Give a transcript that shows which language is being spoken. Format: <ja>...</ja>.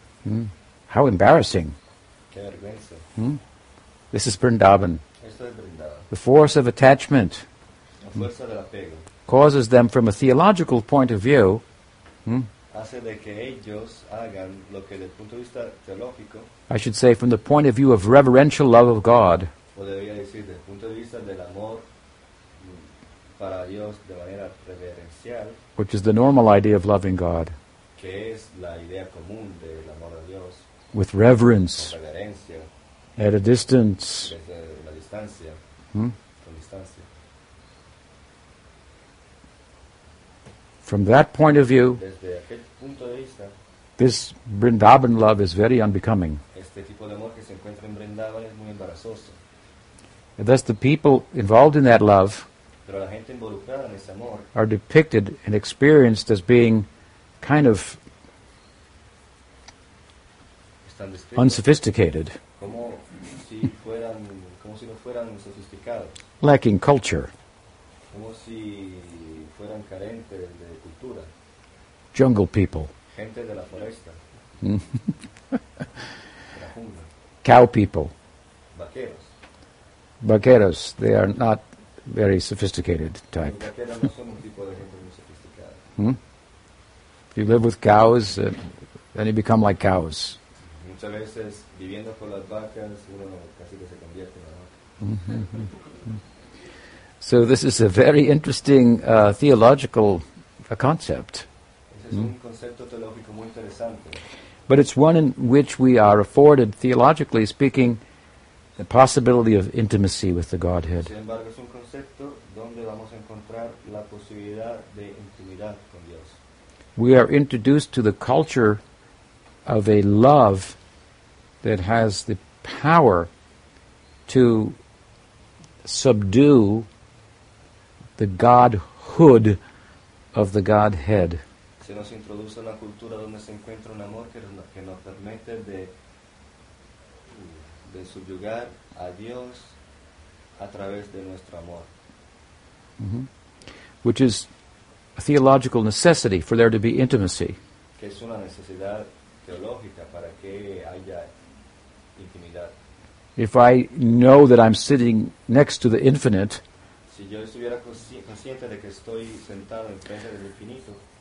<en>Hmm. How embarrassing.</en> <es>Qué vergüenza.</es> <en>Hmm. This is Vrindavan.</en> <es>Esto es Vrindavan.</es> <en>The force of attachment</en> <es>fuerza del apego</es> <en>causes them from a theological point of view</en> <es>hace de que ellos hagan lo que desde el punto de vista teológico,</es> <en>I should say from the point of view of reverential love of God,</en> <es>o debería decir, desde el punto de vista del amor para Dios de manera reverencial,</es> <en>which is the normal idea of loving God,</en> <es>que es la idea común del amor a Dios,</es> <en>with reverence,</en> <es>con reverencia,</es> <en>at a distance,</en> <es>desde la distancia, con distancia.</es> <en>From that point of view,</en> <es>desde aquel punto de vista,</es> <en>this Vrindavan love is very unbecoming.</en> <es>Este tipo de amor que se encuentra en Vrindavan es muy embarazoso.</es> <en>And thus the people involved in that love,</en> <es>pero la gente involucrada en ese amor,</es> <en>are depicted and experienced as being kind of</en> <es>están descritos</es> <en>unsophisticated.</en> <es>Como si fueran, como si no fueran sofisticados.</es> <en>Lacking culture.</en> <es>Como si fueran carentes de cultura.</es> <en>Jungle people.</en> <es>Gente de la foresta.</es> <en>Cow people.</en> <es>Vaqueros.</es> <en>Vaqueros, they are not very sophisticated type. If you live with cows, then you become like cows.</en> <es>Muchas veces, viviendo con las vacas, uno casi que se convierte, ¿no?</es> <en>So this is a very interesting theological concept.</en> <es>Es un concepto teológico muy interesante.</es> <en>But it's one in which we are afforded, theologically speaking, the possibility of intimacy with the Godhead.</en> <es>Sin embargo, es un concepto donde vamos a encontrar la posibilidad de intimidad con Dios.</es> <en>We are introduced to the culture of a love that has the power to subdue the Godhood of the Godhead.</en> <es>Se nos introduce a la cultura donde se encuentra un amor que nos permite de subyugar a Dios a través de nuestro amor. Mm-hmm.</es> <en>Which is a theological necessity for there to be intimacy.</en> <es>Que es una necesidad teológica para que haya intimidad.</es> <en>If I know that I'm sitting next to the infinite,</en> <es>si yo estuviera consciente de que estoy sentado en frente del infinito,</es>